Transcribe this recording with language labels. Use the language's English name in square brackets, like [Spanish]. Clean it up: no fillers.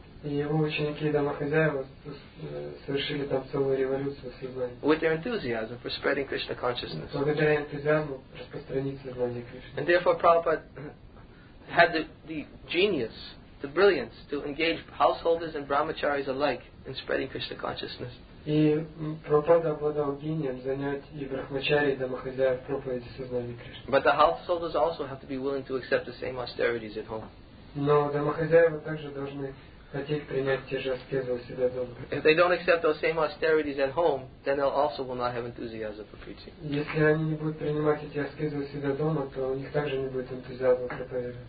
[English] With their enthusiasm for spreading Krishna consciousness. And therefore Prabhupada had the genius, the brilliance, to engage householders and brahmacharis alike in spreading Krishna consciousness. [Russian] И Прабхупада обладал гением занять и брахмачари, и домохозяев проповеди сознания Кришны. [English] But the householders also have to be willing to accept the same austerities at home. [Russian] Но домохозяева также должны хотеть принять те же аскезы у себя дома. [English] If they don't accept those same austerities at home, then they also will not have enthusiasm for preaching. [Russian] Если они не будут принимать эти аскезы у себя дома, то у них также не будет энтузиазма проповедовать.